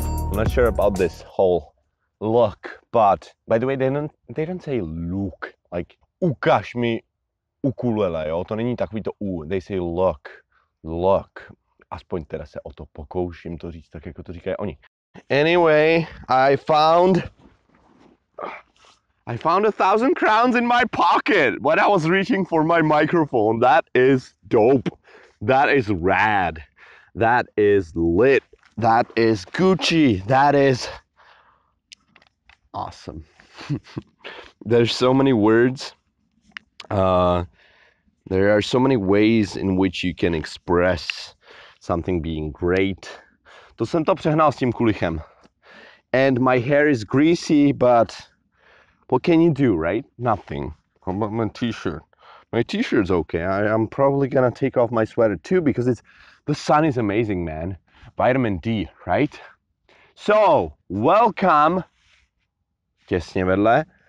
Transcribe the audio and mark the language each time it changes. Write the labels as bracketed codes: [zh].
[en] I'm not sure about this whole look, but by the way, they don't say look, like [cs] ukaž mi ukulele, jo, to není takový to u, [en] they say look, look. [cs] Aspoň teda se o to pokouším to říct, tak jako to říkají oni. [en] Anyway, I found 1,000 crowns in my pocket when I was reaching for my microphone. That is dope. That is rad. That is lit. That is Gucci. That is awesome. There's so many words. There are so many ways in which you can express something being great. [cs] To jsem to přehnal s tím kulichem. [en] And my hair is greasy, but what can you do, right? Nothing. How about my t-shirt? My t-shirt's okay. I'm probably gonna take off my sweater too, because it's the sun is amazing, man. Vitamin D, right? So, welcome. [cs] Těsně vedle.